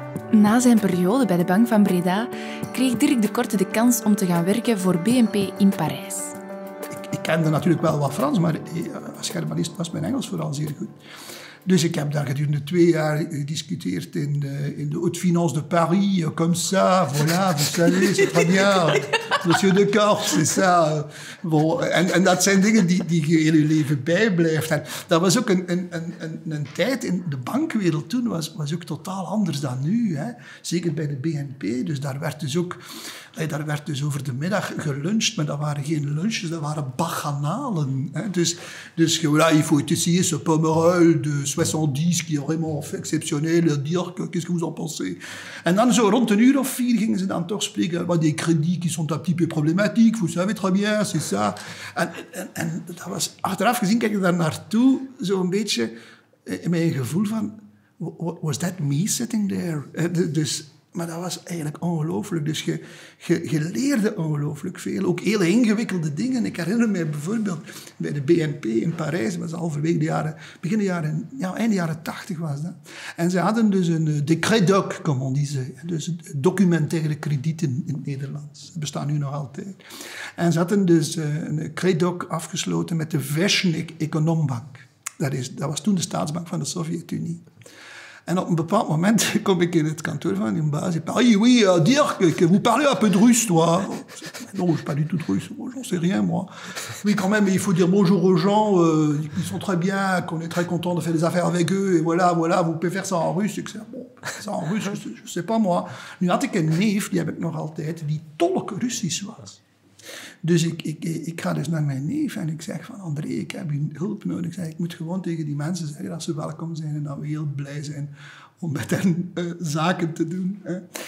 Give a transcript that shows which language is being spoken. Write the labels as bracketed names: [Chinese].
[Dutch] Na zijn periode bij de Bank van Breda kreeg Dirk de Korte de kans om te gaan werken voor BNP in Parijs. Ik kende natuurlijk wel wat Frans, maar als germanist was mijn Engels vooral zeer goed. Dus ik heb daar gedurende 2 jaar gediscuteerd in de [French] Haute Finance de Paris, comme ça, voilà, vous savez, c'est très bien, monsieur de Korte, c'est ça. [Dutch] En dat zijn dingen die je in je leven bijblijft. En dat was ook een tijd in de bankwereld toen, was ook totaal anders dan nu. Hè? Zeker bij de BNP, dus daar werd dus ook... Hey, daar werd dus over de middag geluncht, maar dat waren geen lunches, dat waren bacchanalen. Hè. Dus [French] voilà, il faut essayer ce pommerol de 70 qui est vraiment exceptionnel. Dire que, qu'est-ce que vous en pensez? [Dutch] En dan zo rond een uur of 4 gingen ze dan toch spreken. [French] Wat des crédits qui sont un petit peu problématiques, vous savez très bien, c'est ça. [Dutch] En dat was, achteraf gezien kijk ik daar naartoe, zo'n beetje in mijn gevoel van, [English] was that me sitting there? [Dutch] Dus... Maar dat was eigenlijk ongelooflijk. Dus je leerde ongelooflijk veel. Ook hele ingewikkelde dingen. Ik herinner me bijvoorbeeld bij de BNP in Parijs. Dat was halverwege de jaren... Begin de jaren... Ja, einde jaren 80 was dat. En ze hadden dus een décret doc, [French] comme on disait. [Dutch] Dus document tegen de kredieten in het Nederlands. Dat bestaat nu nog altijd. En ze hadden dus een décret doc afgesloten met de Vesnik Econombank. Dat was toen de staatsbank van de Sovjet-Unie. En op een bepaald moment kom ik in het kantoor van die baas. Ik zeg, [French] oui, Dirk, que vous parlez un peu de Russe, toi. Non, je parle du tout de Russe. Moi, j'en sais rien, moi. Oui, quand même, il faut dire bonjour aux gens. Ils sont très bien, qu'on est très content de faire des affaires avec eux. Et voilà, vous pouvez faire ça en Russe. [Dutch] Ik zeg, [French] bon, ça en Russe, je sais pas, moi. [Dutch] Nu had ik een neef, die heb ik nog altijd, die tolk Russisch was. Dus ik ga dus naar mijn neef en ik zeg van André, ik heb je hulp nodig. Ik moet gewoon tegen die mensen zeggen dat ze welkom zijn en dat we heel blij zijn om met hen zaken te doen. Hè.